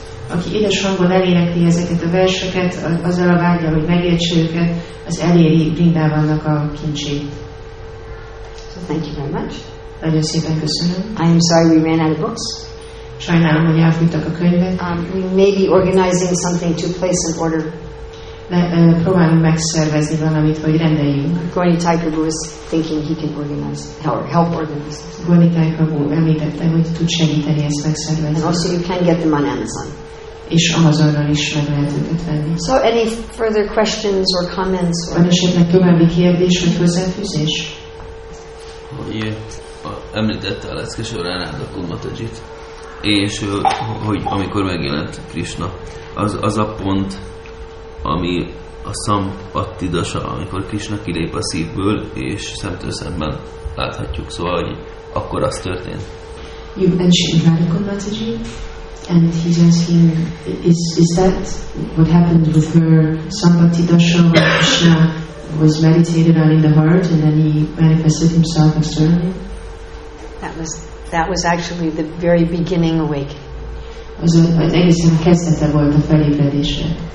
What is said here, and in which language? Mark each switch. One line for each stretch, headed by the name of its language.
Hungarian: Aki édes hangon elénekli ezeket a verseket, azzal a vágyal, hogy megértse őket, az eléri Vrindavannak a kincsét.
English: So thank you very much.
Hungarian: Nagyon szépen köszönöm.
English: I am sorry we ran out of books.
Hungarian: Sajnálom, hogy elfogytak a könyvek.
English: We may be organizing something to place an order.
Hungarian: Próbálunk megszervezni valamit, hogy rendeljünk.
English: Gorni Tiger was thinking he can organize, help organize.
Hungarian: Gorni Tiger említette, hogy tud segíteni ezt megszervezni.
English: And also you can get them on Amazon.
Hungarian: És Amazonon is meg lehet őket venni.
English: So any further questions or comments?
Hungarian: Van esetleg további kérdés, vagy hozzáfűzés? Hogy említette a leckesor Ananda Kumatajit, és hogy amikor megjelent Krishna, az a pont, ami a szampattidasa, amikor Krishna kilép a szívből, és szemtől szemben láthatjuk. Szóval, hogy akkor az történt.
English: You mentioned radical metaji, and he's asking, is that what happened with her sampattidasa, when Krishna was meditated on in the heart, and then he manifested himself externally? That was actually the very beginning awakening.
Hungarian: Az egészen a kezdete volt a felébredésre.